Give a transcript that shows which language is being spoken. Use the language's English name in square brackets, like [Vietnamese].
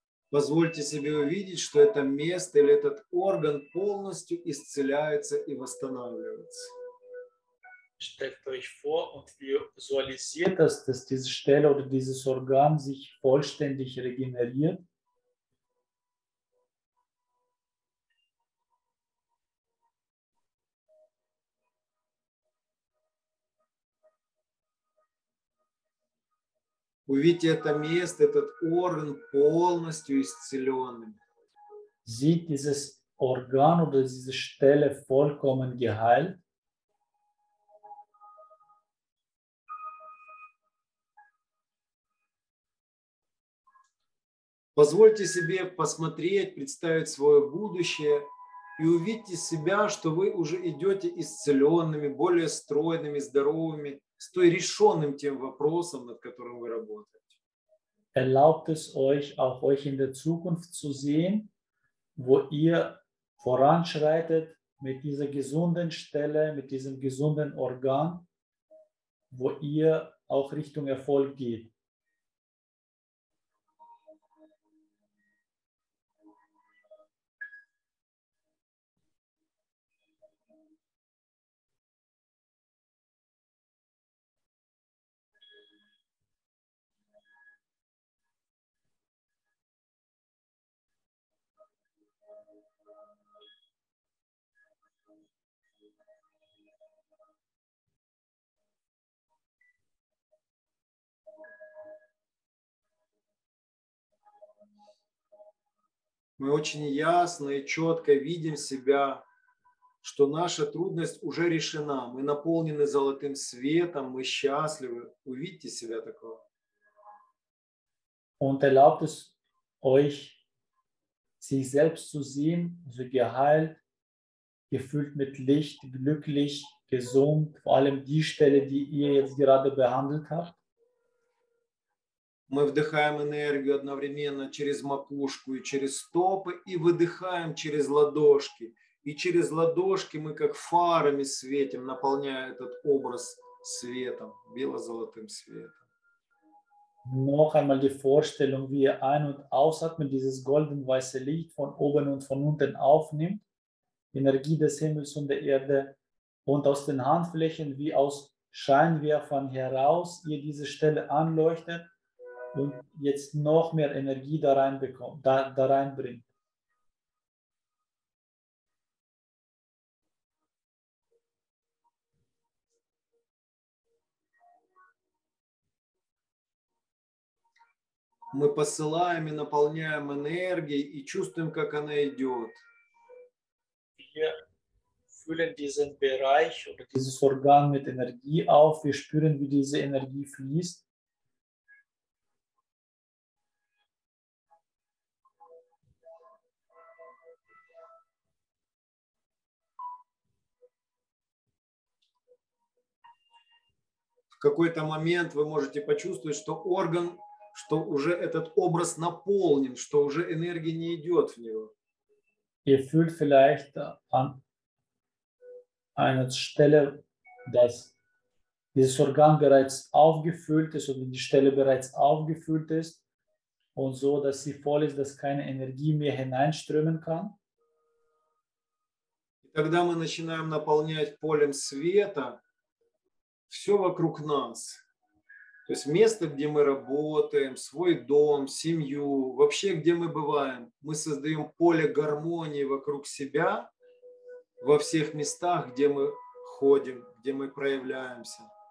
[Russian] Позвольте себе увидеть, что это место или этот орган полностью исцеляется и восстанавливается. [German] Stellt euch vor und ihr visualisiert, dass diese Stelle oder dieses Organ sich vollständig regeneriert. [Russian] Увидьте это место, этот орган полностью исцеленным. [German] Sieht dieses Organ oder diese Stelle vollkommen geheilt. [Russian] Позвольте себе посмотреть, представить свое будущее и увидите себя, что вы уже идете исцеленными, более стройными, здоровыми, с той решенным тем вопросом, над которым вы работаете. [German] Erlaubt es euch, auch euch in der Zukunft zu sehen, wo ihr voranschreitet mit dieser gesunden Stelle, mit diesem gesunden Organ, wo ihr auch Richtung Erfolg geht. [Russian] Мы очень ясно и четко видим себя, что наша трудность уже решена. Мы наполнены золотым светом, мы счастливы. Увидьте себя такого. [German] Und erlaubt es euch, sich selbst zu sehen, so geheilt, gefüllt mit Licht, glücklich, gesund, vor allem die Stelle, die ihr jetzt gerade behandelt habt. [Russian] Мы вдыхаем энергию одновременно через макушку и через стопы и выдыхаем через ладошки. И через ладошки мы как фарами светим, наполняя этот образ светом, бело-золотым светом. [German] Noch einmal die Vorstellung, wie ihr ein- und ausatmet, dieses golden-weiße Licht von oben und von unten aufnimmt, Energie des Himmels und der Erde und aus den Handflächen wie aus Scheinwerfern heraus ihr diese Stelle anleuchtet. Und jetzt noch mehr Energie da rein bekommt, da reinbringt. [Russian] Мы посылаем и наполняем энергией и чувствуем, как она идет. [German] Wir fühlen diesen Bereich oder dieses Organ mit Energie auf. Wir spüren, wie diese Energie fließt. [Russian] В какой-то момент вы можете почувствовать, что орган, что уже этот образ наполнен, что уже энергия не идет в него. [German] Ihr fühlt vielleicht an einer Stelle, dass dieses Organ bereits aufgefüllt ist oder die Stelle bereits aufgefüllt ist und so, dass sie voll ist, dass keine Energie mehr hineinströmen kann. [Russian] И тогда мы начинаем наполнять полем света. Все вокруг нас, то есть место, где мы работаем, свой дом, семью, вообще, где мы бываем, мы создаем поле гармонии вокруг себя, во всех местах, где мы ходим, где мы проявляемся.